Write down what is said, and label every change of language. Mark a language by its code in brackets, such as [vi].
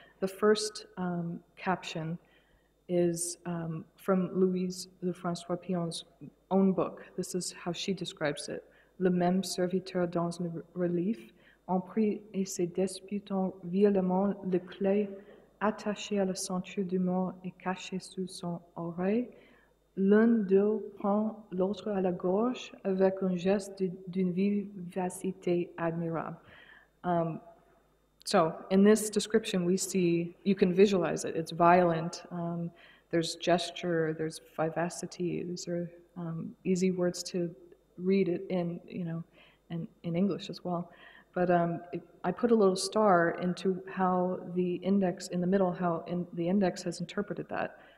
[en] The first caption is from Louise Lefrançois Pion's own book. This is how she describes it. [fr] Le même serviteur dans le relief en prit et se disputant violemment le clé attaché à la ceinture du mort et caché sous son oreille, l'un d'eux prend l'autre à la gorge avec un geste d'une vivacité admirable. [en] So in this description, we see, you can visualize it. It's violent. There's gesture. There's vivacity. These are easy words to read it in, you know, and in English as well. But I put a little star into how the index in the middle, how in the index has interpreted that.